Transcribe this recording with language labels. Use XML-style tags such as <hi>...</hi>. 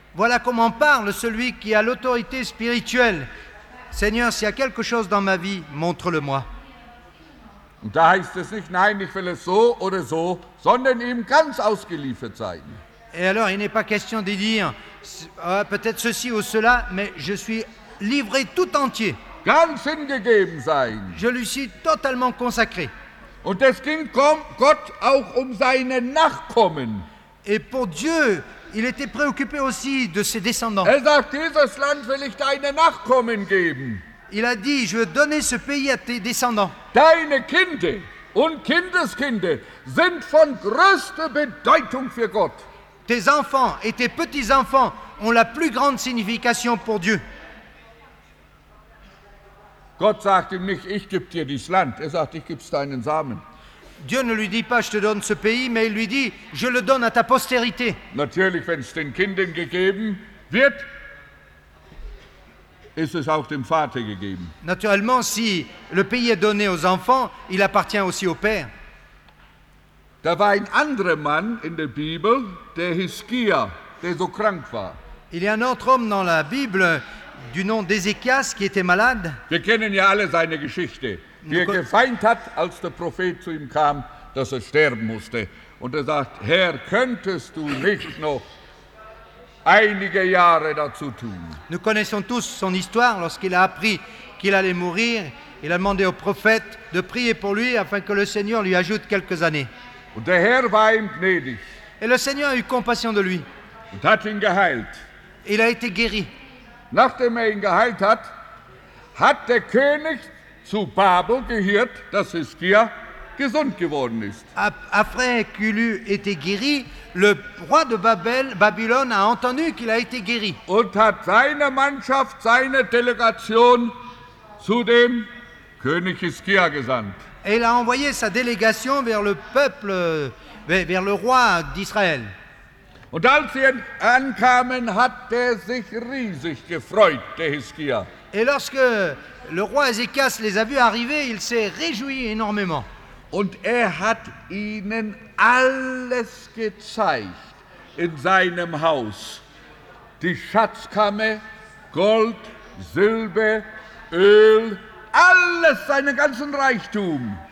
<fr>Voilà comment parle celui qui a l'autorité spirituelle. Seigneur, s'il y a quelque chose dans ma vie, montre-le-moi.</fr> <de>Und da heißt es nicht, nein, ich will es so oder so, sondern ihm ganz ausgeliefert sein.</de> <fr>Et alors, il n'est pas question de dire peut-être ceci ou cela, mais je suis livré tout entier.</fr> <de>Ganz hingegeben sein.</de> <fr>Je lui suis totalement consacré.</fr> <de>Und es ging Gott auch um seine Nachkommen.</de> <fr>Et pour Dieu, il était préoccupé aussi de ses descendants.</fr> <de>Er sagt, dieses Land will ich deine Nachkommen geben.</de> <fr>Il a dit, je veux donner ce pays à tes descendants.</fr> <de>Deine Kinder und Kindeskinder sind von größter Bedeutung für Gott.</de> <fr>Tes enfants et tes petits-enfants ont la plus grande signification pour Dieu.</fr> <de>Gott sagt ihm nicht, ich gebe dir dieses Land. Er sagt, ich gebe es deinen Samen.</de> <fr>Dieu ne lui dit pas, je te donne ce pays, mais il lui dit, je le donne à ta postérité.</fr> <de>Natürlich, wenn es den Kindern gegeben wird, ist es auch dem Vater gegeben.</de> <fr>Naturellement, si le pays est donné aux enfants, il appartient aussi au Père.</fr> <de>Da war ein anderer Mann in der Bibel, der Hiskia, der so krank war.</de> <fr>Il y a un autre homme dans la Bible du nom d'Ézéchias qui était malade.</fr> <de>Wir kennen ja alle seine Geschichte. Wie er gefeint hat, als der Prophet zu ihm kam, dass er sterben musste. Und er sagt, Herr, könntest du nicht noch einige Jahre dazu tun?</de> <fr>Nous connaissons tous son histoire. Lorsqu'il a appris qu'il allait mourir, il a demandé au prophète de prier pour lui, afin que le Seigneur lui ajoute quelques années.</fr> <de>Und der Herr war ihm gnädig.</de> <fr>Et le Seigneur a eu compassion de lui.</fr> <de>Und hat ihn geheilt.</de> <fr>Il a été guéri.</fr> <de>Nachdem er ihn geheilt hat, hat der König zu Babel gehört, dass Hiskia gesund geworden ist.</de> <fr>Après qu'il eut été guéri, le roi de Babylone a entendu qu'il a été guéri.</fr> <de>Und hat seine Mannschaft, seine Delegation zu dem König Hiskia gesandt.</de> <fr>Et il a envoyé sa délégation vers le peuple, vers le roi d'Israël.</fr> <de>Und als sie ankamen, hat er sich riesig gefreut, der Hiskia.</de> <fr>Et lorsque le roi Ézéchias les a vus arriver, il s'est réjoui énormément.</fr> <de>Und er hat ihnen alles gezeigt in seinem Haus. Die Schatzkammer, Gold, Silber, Öl, alles, seinen ganzen Reichtum.</de>